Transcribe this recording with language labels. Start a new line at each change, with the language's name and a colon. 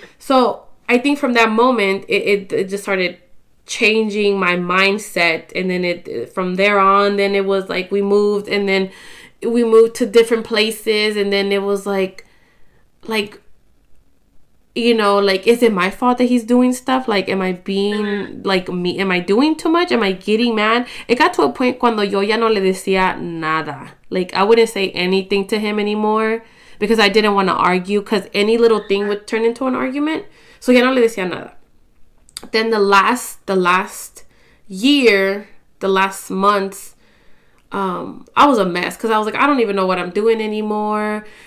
English: So I think from that moment it just started changing my mindset, and then it from there on, then it was like we moved to different places, and then it was like, you know, like, is it my fault that he's doing stuff? Like, am I being, like, me? Am I doing too much? Am I getting mad? It got to a point
Spanish: cuando yo ya no le decía nada.
English: Like, I wouldn't say anything to him anymore because I didn't want to argue, because any little thing would turn into an argument. So
Spanish: ya no le decía nada.
English: Then the last year, the last months, I was a mess because I was like, I don't even know what I'm doing anymore.